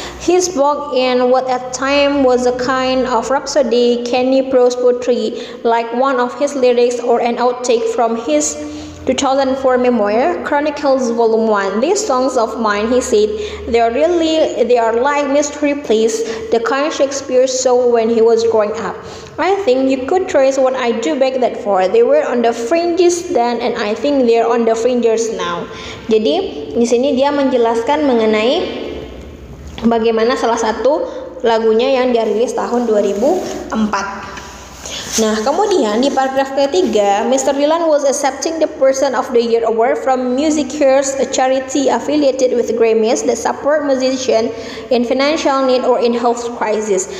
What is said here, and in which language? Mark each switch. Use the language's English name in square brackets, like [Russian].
[English] He spoke in what at time was a kind of rhapsody, canny prose poetry, like one of his lyrics or an outtake from his 2004 memoir, Chronicles Volume 1. These songs of mine, he said, they are like mystery plays, the kind Shakespeare saw when he was growing up. I think you could trace what I do back that far. They were on the fringes then, and I think they're on the fringes now. [Indonesian] Jadi di sini dia menjelaskan mengenai bagaimana salah satu lagunya yang dia rilis tahun 2004. Nah, kemudian di paragraf ketiga, Mr. [English] Dylan was accepting the Person of the Year Award from Music Cares, a charity affiliated with Grammys that support musician in financial need or in health crisis.